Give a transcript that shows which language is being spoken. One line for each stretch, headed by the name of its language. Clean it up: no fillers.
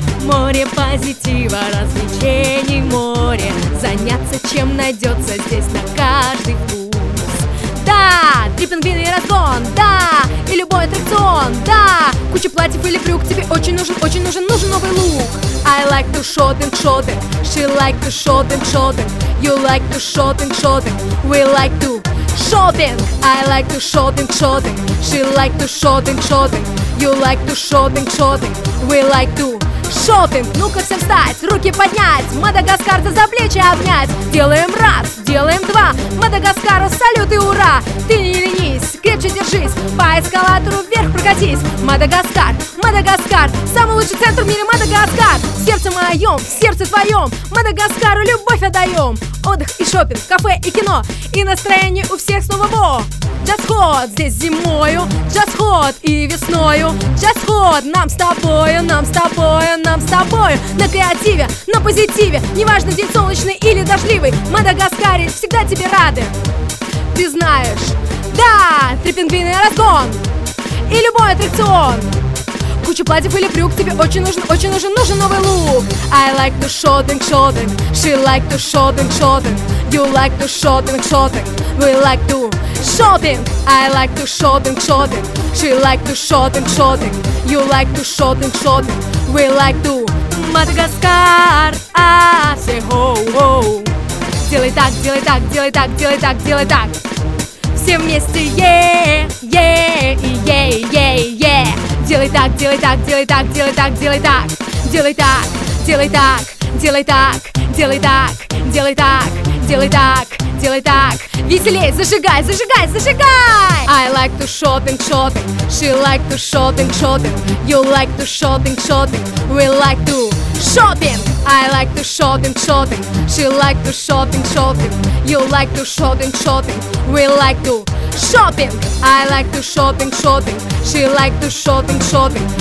Russian: Море позитива, развлечений море. Заняться чем найдется здесь на каждый вкус. Да, три пингвина и разгон, да, и любой аттракцион, да. Куча платьев или брюк, тебе очень нужен, нужен новый лук.
English: I like to shopping, shopping. She like to shopping, shopping. You like to shopping, shopping. We like to shopping. I like to shopping, shopping. She like to shopping, shopping. You like to shopping, shopping. We like to shopping.
Russian: Ну-ка всем встать, руки поднять, Мадагаскарца за плечи обнять. Делаем раз, делаем два, Мадагаскару салют и ура. Ты не ленись, крепче держись, по эскалатору вверх прокатись. Мадагаскар, Мадагаскар, самый лучший центр в мире, Мадагаскар. В сердце моем, в сердце твоем, Мадагаскару любовь отдаем. Отдых и шопинг, кафе и кино, и настроение у всех снова во.
English: Just hot
Russian: здесь зимою, just hot и весною, just hot нам с тобою, нам с тобою, нам с тобою. На креативе, на позитиве, неважно день солнечный или дождливый, Мадагаскаре всегда тебе рады. Ты знаешь, да, три пингвина и разгон, и любой аттракцион. Куча платьев или брюк, тебе очень нужен, нужен новый лук.
English: I like to shopping, shopping. She like to shopping, shopping. You like to shopping, shopping. We like to shopping. I like to shopping, shopping. She like to shopping, shopping. You like to shopping, shopping. We like to Мадагаскар. Say ho, ho.
Russian: Делай так, делай так, делай так, делай так, делай так. Все вместе,
English: yeah, yeah, yeah, yeah, yeah.
Russian: Делай так, делай так, делай так, делай так, делай так, делай так, делай так, делай так, делай так, делай так, делай так, делай так. Веселей, зажигай, зажигай, зажигай!
English: I like to shopping, shopping. She like to shopping, shopping. You like to shopping, shopping. We like to shopping. I like to shopping, shopping. She like to shopping, shopping. You like to shopping, shopping. We like to shopping. I like to shopping, shopping. She like to shopping, shopping.